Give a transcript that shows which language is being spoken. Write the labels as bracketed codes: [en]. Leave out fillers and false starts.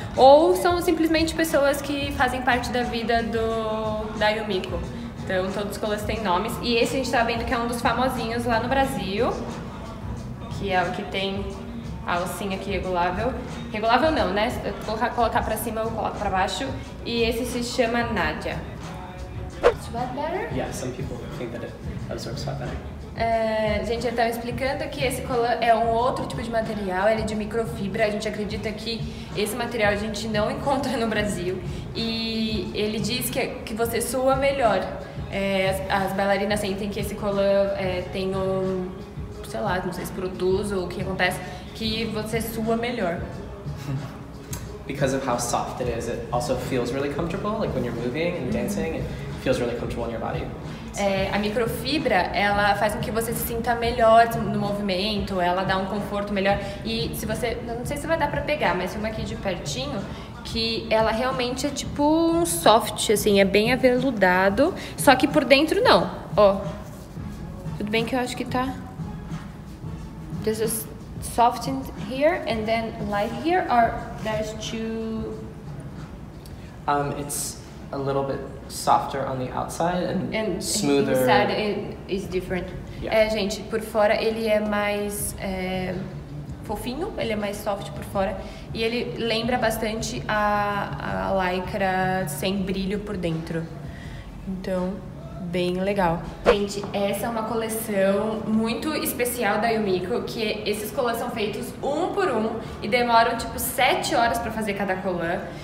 [pt] Ou são simplesmente pessoas que fazem parte da vida da Yumiko. Então todos os colãs têm nomes. E esse a gente tá vendo que é um dos famosinhos lá no Brasil. Que é o que tem a alcinha aqui regulável. Regulável não, né? Se eu colocar pra cima, eu coloco pra baixo. E esse se chama Nadia. [en] Sweat better? Yeah, some people think that it absorbs sweat better. [pt] Gente, ele tava explicando que esse colã é um outro tipo de material, ele é de microfibra. A gente acredita que esse material a gente não encontra no Brasil. E ele diz que você sua melhor. As bailarinas sentem que esse colã tem um... Sei lá, não sei se produz ou o que acontece. Que você sua melhor. [en] Because of how soft it is, it also feels really comfortable, like when you're moving and dancing, it feels really comfortable in your body. [pt] A microfibra, ela faz com que você se sinta melhor no movimento, ela dá um conforto melhor. E se você, não sei se vai dar pra pegar, mas filma aqui de pertinho, que ela realmente é tipo um soft, assim, é bem aveludado, só que por dentro não. Ó, tudo bem que eu acho que tá... [en] This is softened here and then light here, or there's two? It's a little bit softer on the outside and smoother. Inside it is different. Yeah. [pt] Gente, por fora ele é mais fofinho, ele é mais soft por fora e ele lembra bastante a lycra sem brilho por dentro. Então, bem legal. Gente, essa é uma coleção muito especial da Yumiko, que esses colãs são feitos um por um e demoram tipo 7 horas para fazer cada colã.